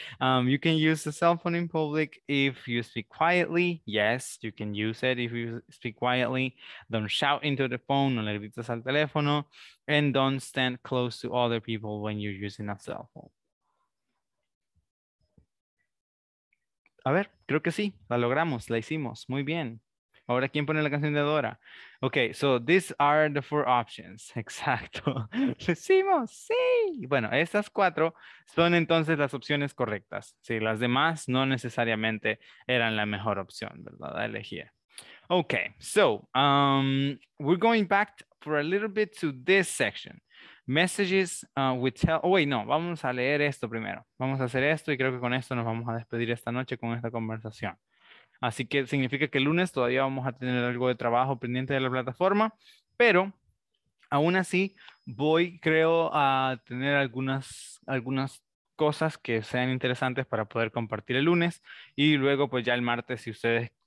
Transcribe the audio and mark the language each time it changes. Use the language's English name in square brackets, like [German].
[English] You can use the cell phone in public if you speak quietly. Yes, you can use it if you speak quietly. Don't shout into the phone, [Spanish] no le grites al teléfono. [English] And don't stand close to other people when you're using a cell phone. [Spanish] A ver, creo que sí, la logramos, la hicimos, muy bien. Ahora, ¿quién pone la canción de Dora? [English] Okay, so these are the four options. [Spanish] Exacto. ¡Decimos! ¡Sí! Bueno, estas cuatro son entonces las opciones correctas. Sí, las demás no necesariamente eran la mejor opción, ¿verdad? La elegí. [English] Okay, so we're going back for a little bit to this section. Messages with tell... Oh, wait, no. [Spanish] Vamos a leer esto primero. Vamos a hacer esto y creo que con esto nos vamos a despedir esta noche con esta conversación. Así que significa que el lunes todavía vamos a tener algo de trabajo pendiente de la plataforma, pero aún así voy, creo, a tener algunas cosas que sean interesantes para poder compartir el lunes y luego pues ya el martes, si ustedes